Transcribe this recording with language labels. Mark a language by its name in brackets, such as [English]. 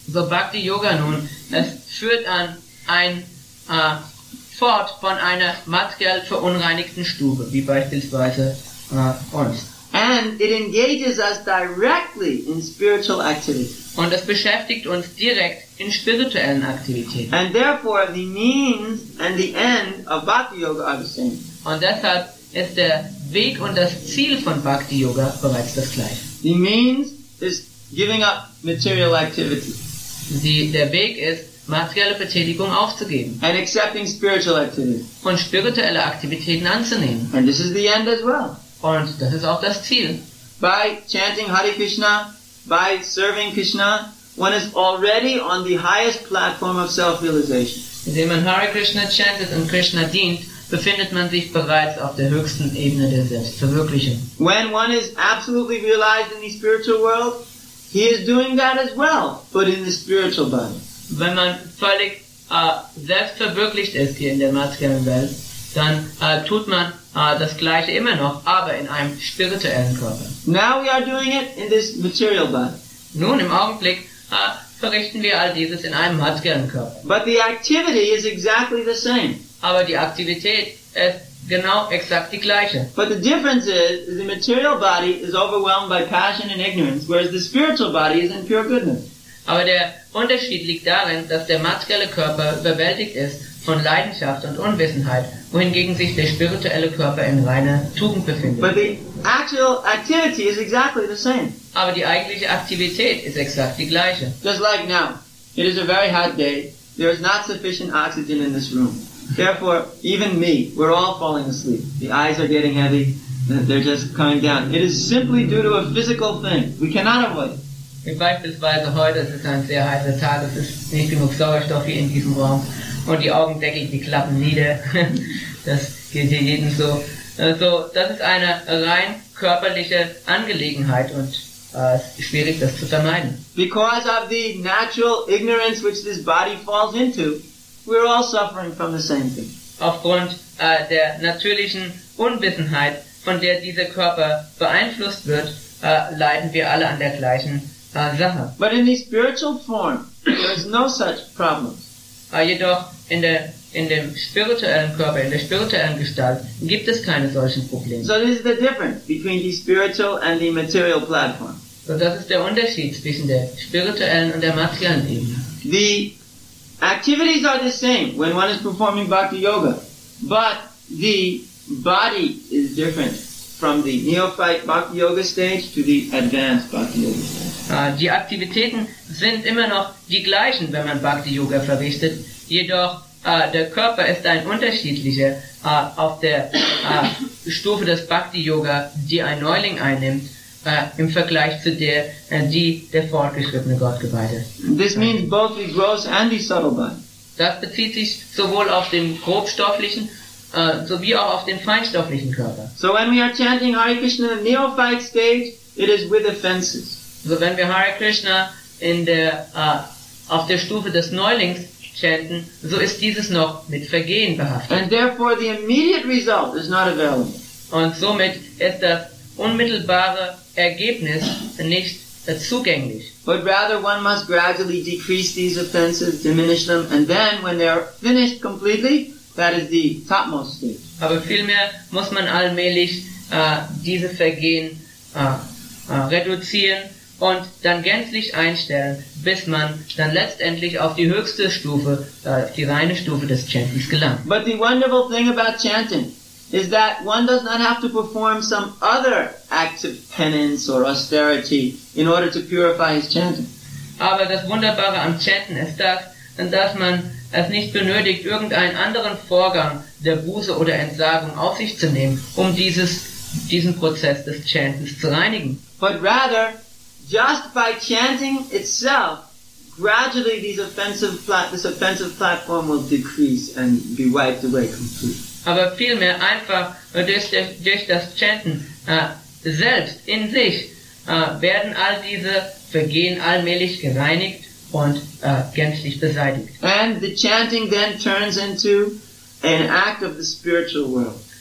[German] So Bhakti Yoga nun, es führt an ein fort von einer materiell verunreinigten Stube, wie beispielsweise uns. [English] And And it engages us directly in spiritual activity. [German] Und es beschäftigt uns direkt in spirituellen Aktivitäten. [English] And therefore the means and the end of Bhakti Yoga are the same. [German] Und deshalb ist der Weg und das Ziel von Bhakti Yoga bereits das gleiche. [English] The means is giving up material activity. [German] Der Weg ist, materielle Betätigung aufzugeben. [English] And accepting spiritual activity. [German] Und spirituelle Aktivitäten anzunehmen. [English] And this is the end as well. [German] Und das ist auch das Ziel. [English] By chanting Hare Krishna, by serving Krishna, one is already on the highest platform of self-realization. [German] Indem man Hare Krishna chantet und Krishna dient, befindet man sich bereits auf der höchsten Ebene der Selbstverwirklichung. [English] When one is absolutely realized in the spiritual world, he is doing that as well, but in the spiritual body. [German] Wenn man völlig selbstverwirklicht ist hier in der materiellen Welt, dann tut man das Gleiche immer noch, aber in einem spirituellen Körper. [English] Now we are doing it in this material body. [German] Nun, im Augenblick verrichten wir all dieses in einem materiellen Körper. [English] But the activity is exactly the same. [German] Aber die Aktivität ist genau exakt die gleiche. [English] But the difference is the material body is overwhelmed by passion and ignorance, whereas the spiritual body is in pure goodness. [German] Aber der Unterschied liegt darin, dass der materielle Körper überwältigt ist von Leidenschaft und Unwissenheit, wohingegen sich der spirituelle Körper in reiner Tugend befindet. [English] But the actual activity is exactly the same. [German] Aber die eigentliche Aktivität ist exakt die gleiche. [English] Just like now, it is a very hot day. There is not sufficient oxygen in this room. Therefore, even me, we're all falling asleep. The eyes are getting heavy. They're just coming down. It is simply due to a physical thing. We cannot avoid it. [German] Wie beispielsweise heute, es ist ein sehr heißer Tag, es ist nicht genug Sauerstoff hier in diesem Raum und die Augendeckel, die klappen nieder. Das geht hier jedem so. Also, das ist eine rein körperliche Angelegenheit und es ist schwierig, das zu vermeiden. [English] Because of the natural ignorance which this body falls into, we're all suffering from the same thing. [German] Aufgrund der natürlichen Unwissenheit, von der dieser Körper beeinflusst wird, leiden wir alle an der gleichen Sache. [English] But in the spiritual form, there is no such problem. [German] Jedoch in dem spirituellen Körper, in der spirituellen Gestalt, gibt es keine solchen Probleme. [English] So this is the difference between the spiritual and the material platform. [German] So das ist der Unterschied zwischen der spirituellen und der materiellen Ebene. [English] The activities are the same when one is performing Bhakti Yoga, but the body is different from the neophyte Bhakti Yoga stage to the advanced Bhakti Yoga stage. [German] Die Aktivitäten sind immer noch die gleichen, wenn man Bhakti-Yoga verrichtet. Jedoch der Körper ist ein unterschiedlicher auf der Stufe des Bhakti-Yoga, die ein Neuling einnimmt, im Vergleich zu der, die der fortgeschrittene Gottgeweihte ist. [English] This means both the gross and the subtle body. [German] Das bezieht sich sowohl auf den grobstofflichen sowie auch auf den feinstofflichen Körper. [English] So when we are chanting Hare Krishna in the neophyte stage, it is with offenses. [German] So wenn wir Hare Krishna in der auf der Stufe des Neulings chanten, so ist dieses noch mit Vergehen behaftet. [English] And therefore the immediate result is not available. [German] Und somit ist das unmittelbare Ergebnis nicht zugänglich. [English] But rather one must gradually decrease these offenses, diminish them, and then when they are finished completely, that is the topmost stage. [German] Aber vielmehr muss man allmählich diese Vergehen reduzieren. Und dann gänzlich einstellen, bis man dann letztendlich auf die höchste Stufe, die reine Stufe des Chantens gelangt. [English] But the wonderful thing about chanting is that one does not have to perform some other act of penance or austerity in order to purify his chanting. [German] Aber das Wunderbare am Chanten ist das, dass man es nicht benötigt, irgendeinen anderen Vorgang der Buße oder Entsagung auf sich zu nehmen, um diesen Prozess des Chantens zu reinigen. [English] But rather, just by chanting itself, gradually this offensive platform will decrease and be wiped away completely. [German] Aber vielmehr einfach durch das Chanten selbst in sich werden all diese Vergehen allmählich gereinigt und gänzlich beseitigt. [English] And the chanting then turns into an act of the spiritual world.